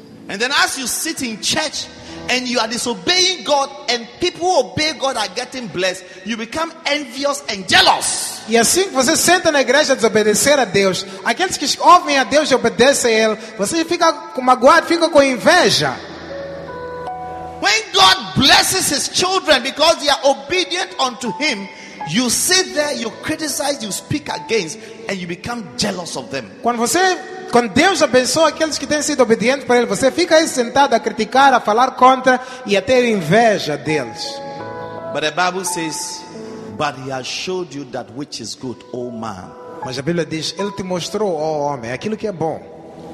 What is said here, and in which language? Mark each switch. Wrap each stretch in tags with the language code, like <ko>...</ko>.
<en>And then as you sit in church and you are disobeying God and people who obey God are getting blessed, you become envious and jealous.</en> <pt>E assim que você senta na igreja a desobedecer a Deus, aqueles que ouvem a Deus e obedecem a Ele, você fica com magoado, fica com inveja.</pt> <en>When God blesses His children because they are obedient unto Him, you sit there, you criticize, you speak against, and you become jealous of them.</en> <pt>Quando Deus abençoa aqueles que têm sido obedientes para Ele, você fica aí sentado a criticar, a falar contra e a ter inveja deles.</pt> <en>But the Bible says, but He has showed you that which is good, O man.</en> <pt>Mas a Bíblia diz, Ele te mostrou, ó homem, aquilo que é bom.</pt>